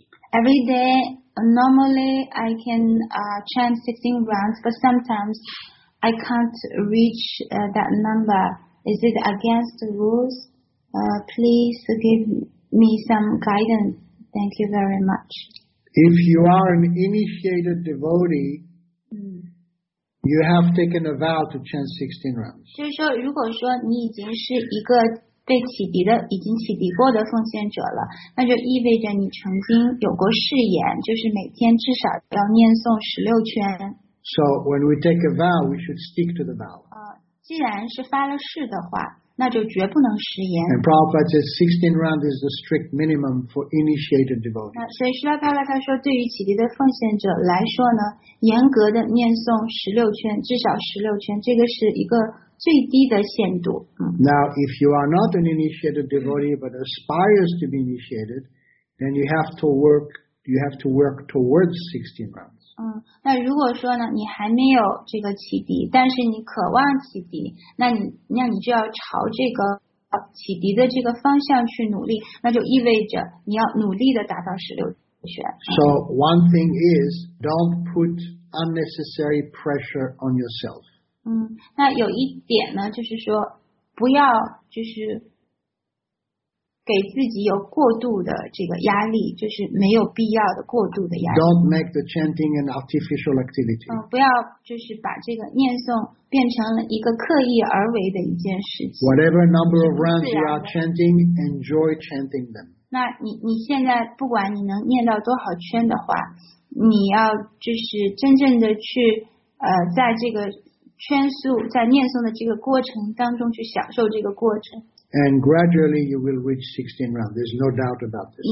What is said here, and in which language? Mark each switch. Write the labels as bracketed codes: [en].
[en] Every day, normally I can chant 16 rounds, but sometimes I can't reach that number. Is it against the rules? Please give me some guidance. Thank you very much. If you are an initiated devotee,You have taken a vow to chant 16 rounds. [zh] 就是说，如果说你已经是一个被启迪的、已经启迪过的奉献者了，那就意味着你曾经有过誓言，就是每天至少要念诵16圈。 [en] So when we take a vow, we should stick to the vow. [zh] 既然是发了誓的话，那就绝不能食言。 [en] And Prabhupada says 16 rounds is the strict minimum for initiated devotees. [zh] 所以Srila Prabhupada他说，对于启迪的奉献者来说呢，严格的念诵16圈，至少16圈，这个是一个最低的限度。 [en] Now, if you are not an initiated devotee but aspires to be initiated, then you have to work towards 16 rounds. [zh] 那如果说呢，你还没有这个启迪，但是你渴望启迪，那你就要朝这个启迪的这个方向去努力，那就意味着你要努力的达到16圈。 [en] So one thing is, don't put unnecessary pressure on yourself. [zh] 那有一点呢，就是说不要就是给自己有过度的这个压力，就是没有必要的过度的压力。 [en] Don't make the chanting an artificial activity. [zh] 不要就是把这个念诵变成了一个刻意而为的一件事情。 [en] Whatever number of rounds you are chanting, enjoy chanting them. [zh] 那你现在不管你能念到多少圈的话，你要就是真正的去在这个圈数在念诵的这个过程当中去享受这个过程。 [en] And gradually you will reach 16 rounds. There's no doubt about this.